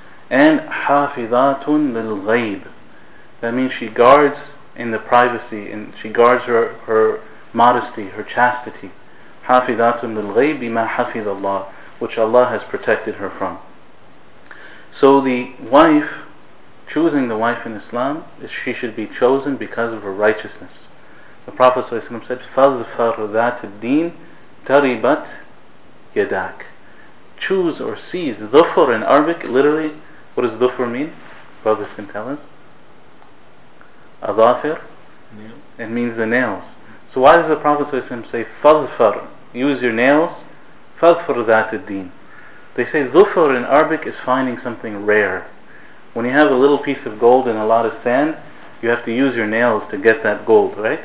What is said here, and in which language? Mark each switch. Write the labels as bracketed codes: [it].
[en] And [ar] حَافِظَاتٌ لِلْغَيْبِ, [en] that means she guards in the privacy, and she guards her modesty, her chastity. [ar] حَافِظَاتٌ لِلْغَيْبِ بِمَا حَفِظَ اللَّهُ, [en] which Allah has protected her from. So the wife, choosing the wife in Islam, is she should be chosen because of her righteousness. The Prophet ﷺ said, [ar] فَظْفَرْ ذَاتِ الدِّينِ تَرِبَتْ يَدَاكْ. [en] Choose or seize. Dhufr in Arabic, literally, what does dhufr mean? Brothers can tell us. Adhafir? It means the nails. So why does the Prophet ﷺ say, فَظْفَرْ, use your nails, [ar] فَظْفَرْ ذَاتِ الدِّينِ. [en] They say dhufr in Arabic is finding something rare. When you have a little piece of gold and a lot of sand, you have to use your nails to get that gold, right?